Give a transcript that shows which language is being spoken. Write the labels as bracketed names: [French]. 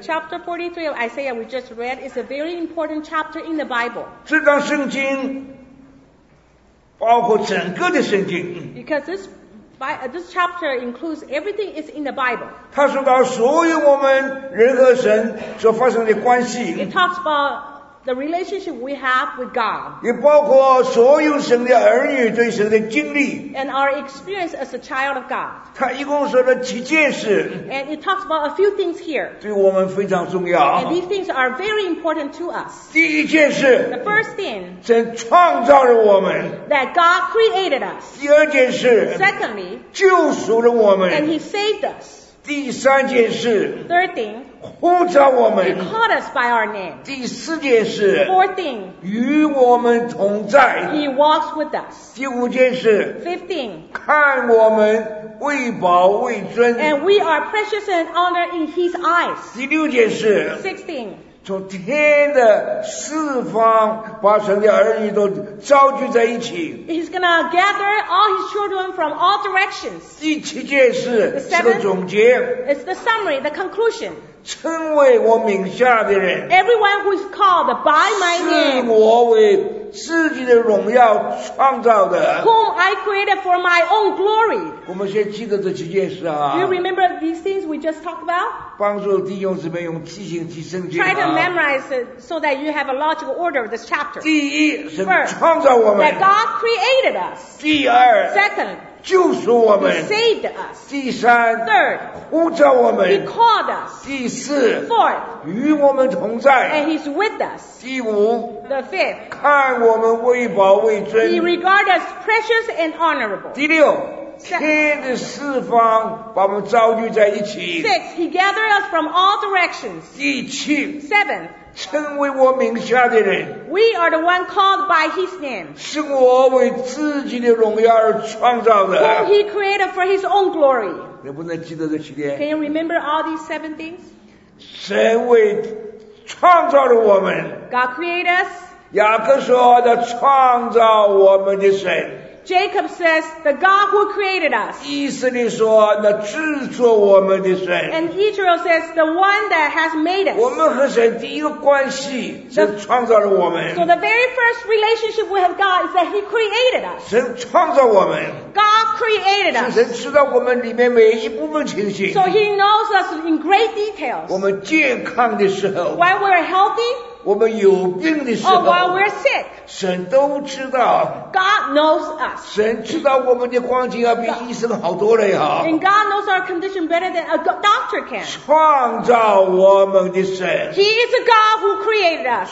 [English] chapter 43 of Isaiah we just read is a very important chapter in the Bible. [Chinese] 这段圣经包括整个的圣经。 [English] Because this chapter includes everything is in the Bible. [Chinese] 它说到所有我们人和神所发生的关系。 [English] It talks about the relationship we have with God. [Chinese] 也包括所有神的儿女对神的经历。 [English] And our experience as a child of God. [Chinese] 它一共说了几件事。 [English] And it talks about a few things here. [Chinese] 对我们非常重要。 [English] And these things are very important to us. [Chinese] 第一件事。 [English] The first thing. [Chinese] 神创造了我们。 [English] That God created us. [Chinese] 第二件事。 [English] Secondly. [Chinese] 救赎了我们。 [English] And he saved us. [Chinese] 第三件事。 [English] Third thing. [Chinese] 呼召我们。 [English] He called us by our name. [Chinese] 第四件事。 [English] Fourth thing. [Chinese] 与我们同在。 [English] He walks with us. [Chinese] 第五件事。 [English] Fifth thing. [Chinese] 看我们为宝为尊。 [English] And we are precious and honored in His eyes. [Chinese] 第六件事。 [English] Sixth thing. [Chinese] 从天的四方把神的儿女都召聚在一起。 [English] He's gonna gather all His children from all directions. [Chinese] 第七件事。 [English] The seventh. [Chinese] 总结。 [English] It's the summary, the conclusion. [Chinese] 称为我名下的人 [English] Everyone who is called by my name [Chinese] 是我为自己的荣耀创造的 [English] Whom I created for my own glory [Chinese] 我们先记得这几件事啊 [English] Do you remember these things we just talked about? [Chinese] 帮助弟兄姊妹用记性记圣经 [English] Try to memorize it so that you have a logical order of this chapter [Chinese] 第一神创造我们 [English] First, that God created us [Chinese] 第二 [English] Second, [Chinese] 救赎我们 [English] He saved us. [Chinese] 第三 [English] Third, [Chinese] 呼召我们 [English] He called us. [Chinese] 第四 [English] Fourth, [Chinese] 与我们同在 [English] And he's with us. [Chinese] 第五 [English] The fifth, [Chinese] 看我们为宝为尊 [English] He regards us precious and honorable. [Chinese] 第六 天的四方把我们召聚在一起 [English] Sixth, he gathered us from all directions. [Chinese] 第七 [English] Seventh, [Chinese] 称为我名下的人 [English] We are the one called by his name [Chinese] 是我为自己的荣耀而创造的 [English] Whom he created for his own glory [Chinese] 你不能记得这七点。 [English] Can you remember all these seven things? [Chinese] 神为创造了我们。 [English] God created us. [Chinese] 雅各说的创造我们的神。 [English] Jacob says, the God who created us. [Chinese] 以色列说那制作我们的神。 [English] And Israel says, the one that has made us. [Chinese] 我们和神第一个关系是创造了我们。 [English] So the very first relationship we have God is that he created us. [Chinese] 神创造我们。 [English] God created us. [Chinese] 神知道我们里面每一部分情形。 [English] So he knows us in great details. [Chinese] 我们健康的时候。 [English] While we're healthy. [Chinese] 我们有病的时候 [English] oh, while we're sick, [Chinese] 神都知道 [English] God knows us [Chinese] 神知道我们的光景要比医生好多了呀 [English] And God knows our condition better than a doctor can [Chinese] 创造我们的神 [English] He is a God who created us